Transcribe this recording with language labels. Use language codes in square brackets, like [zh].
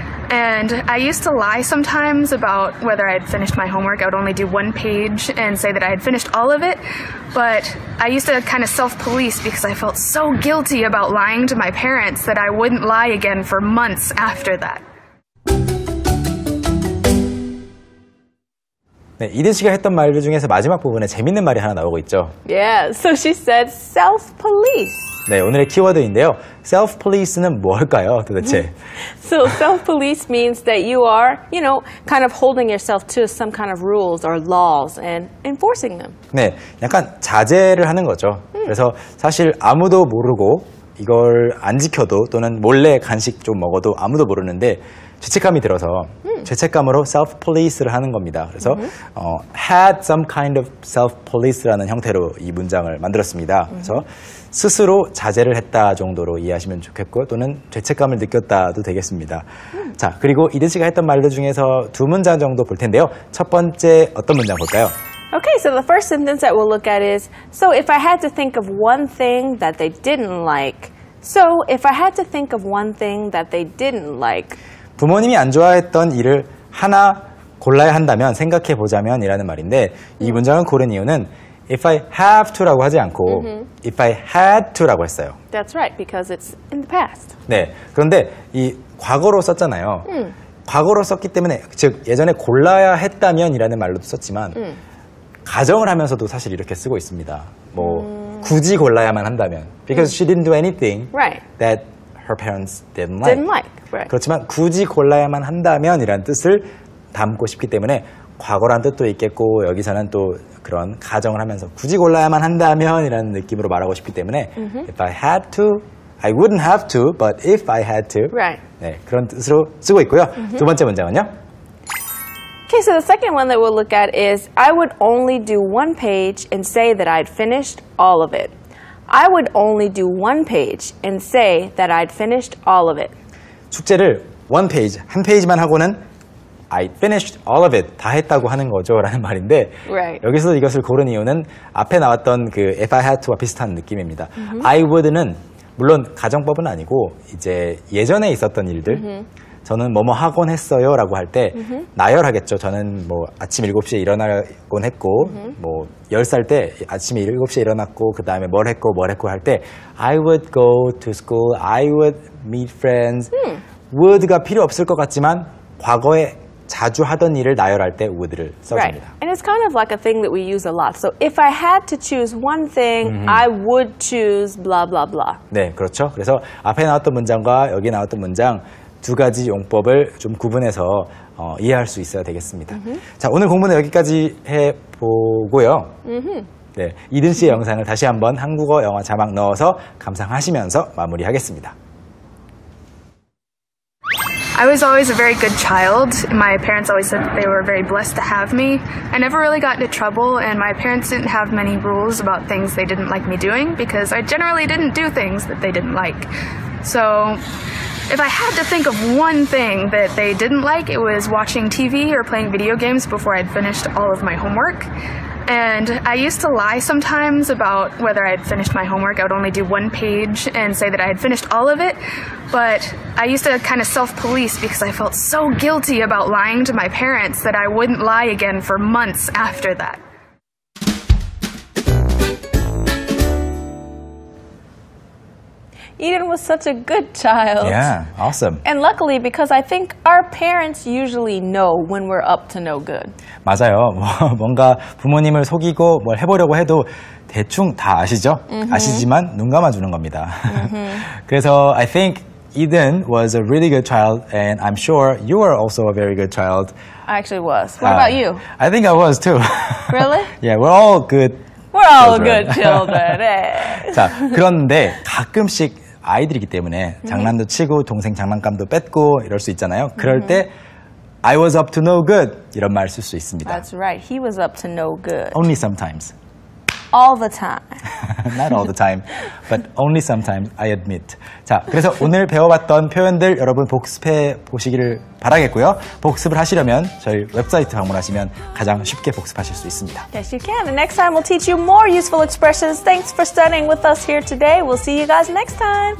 [en] And I used to lie sometimes about whether I had finished my homework. I would only do one page and say that I had finished all of it. But I used to kind of self-police because I felt so guilty about lying to my parents that I wouldn't lie again for months after that. [ko] 네, 이든 씨가 했던 말 중에서 마지막 부분에 재밌는 말이 하나 나오고 있죠. [en] Yeah, so she said self-police. [ko] 네, 오늘의 키워드인데요. Self-police는 뭘까요, 도대체? [en] So self-police means that you are, you know, kind of holding yourself to some kind of rules or laws and enforcing them. [ko] 네, 약간 자제를 하는 거죠. 그래서 사실 아무도 모르고 이걸 안 지켜도 또는 몰래 간식 좀 먹어도 아무도 모르는데 죄책감이 들어서 죄책감으로 self-police를 하는 겁니다. 그래서 had some kind of self-police라는 형태로 이 문장을 만들었습니다. 그래서 스스로 자제를 했다 정도로 이해하시면 좋겠고 또는 죄책감을 느꼈다도 되겠습니다. 자, 그리고 이든 씨가 했던 말들 중에서 두 문장 정도 볼 텐데요. 첫 번째 어떤 문장 볼까요? [en] Okay, so the first sentence that we'll look at is So if I had to think of one thing that they didn't like So if I had to think of one thing that they didn't like [ko] 부모님이 안 좋아했던 일을 하나 골라야 한다면, 생각해 보자면 이라는 말인데 이 문장을 고른 이유는 If I have to 라고 하지 않고 mm-hmm. If I had to 라고 했어요. [en] That's right, because it's in the past. [ko] 네, 그런데 이 과거로 썼잖아요. Mm. 과거로 썼기 때문에, 즉 예전에 골라야 했다면 이라는 말로도 썼지만 가정을 하면서도 사실 이렇게 쓰고 있습니다. 뭐 굳이 골라야만 한다면 [en] Because she didn't do anything right. that her parents didn't like. Didn't like. Right. [ko] 그렇지만 굳이 골라야만 한다면 이라는 뜻을 담고 싶기 때문에 과거란 뜻도 있겠고 여기서는 또 그런 가정을 하면서 굳이 골라야만 한다면 이라는 느낌으로 말하고 싶기 때문에 mm-hmm. [en] If I had to, I wouldn't have to, but if I had to right. [ko] 네, 그런 뜻으로 쓰고 있고요. Mm-hmm. 두 번째 문장은요? [en] Okay, so the second one that we'll look at is I would only do one page and say that I'd finished all of it. I would only do one page and say that I'd finished all of it. [ko] 숙제를 one page, 한 페이지만 하고는 [en] I finished all of it, [ko] 다 했다고 하는 거죠 라는 말인데 [en] right. [ko] 여기서 이것을 고른 이유는 앞에 나왔던 그 if I had to와 비슷한 느낌입니다. Mm-hmm. I would는 물론 가정법은 아니고 이제 예전에 있었던 일들 mm-hmm. 저는 뭐뭐 하곤 했어요 라고 할 때 mm-hmm. 나열하겠죠. 저는 뭐 아침 7시에 일어나곤 했고 mm-hmm. 뭐 10살 때 아침에 7시에 일어났고 그 다음에 뭘 했고 뭘 했고 할 때 [en] I would go to school, I would meet friends, [ko] would가 필요 없을 것 같지만 과거에 자주 하던 일을 나열할 때 would를 써줍니다. [en] Right. And it's kind of like a thing that we use a lot. So if I had to choose one thing, mm-hmm. I would choose blah blah blah. [ko] 네, 그렇죠. 그래서 앞에 나왔던 문장과 여기 나왔던 문장 두 가지 용법을 좀 구분해서 이해할 수 있어야 되겠습니다. Mm-hmm. 자, 오늘 공부는 여기까지 해보고요. Mm-hmm. 네, 이든 씨의 영상을 다시 한번 한국어 영화 자막 넣어서 감상하시면서 마무리하겠습니다. [en] I was always a very good child. My parents always said that they were very blessed to have me. I never really got into trouble, and my parents didn't have many rules about things they didn't like me doing, because I generally didn't do things that they didn't like. So if I had to think of one thing that they didn't like, it was watching TV or playing video games before I'd finished all of my homework. And I used to lie sometimes about whether I had finished my homework. I would only do one page and say that I had finished all of it. But I used to kind of self-police because I felt so guilty about lying to my parents that I wouldn't lie again for months after that. Eden was such a good child. Yeah, awesome. And luckily, because I think our parents usually know when we're up to no good. [ko] 맞아요. 뭔가 부모님을 속이고 뭘 해보려고 해도 대충 다 아시죠? Mm-hmm. 아시지만 눈 감아주는 겁니다. Mm-hmm. [en] 그래서 I think Eden was a really good child, and I'm sure you were also a very good child. I actually was. What about you? I think I was too. Really? Yeah, we're all good. We're all children. Good children. [ko] 자, 그런데 가끔씩 아이들이기 때문에 mm-hmm. 장난도 치고 동생 장난감도 뺏고 이럴 수 있잖아요. 그럴 mm-hmm. 때 [en] I was up to no good [ko] 이런 말 쓸 수 있습니다. [en] That's right. He was up to no good. Only sometimes. All the time. Not all the time, but only sometimes, I admit. [ko] 자, 그래서 오늘 배워봤던 표현들 여러분 복습해 보시기를 바라겠고요. 복습을 하시려면 저희 웹사이트 방문하시면 가장 쉽게 복습하실 수 있습니다. [en] Yes, you can. And next time we'll teach you more useful expressions. Thanks for studying with us here today. We'll see you guys next time.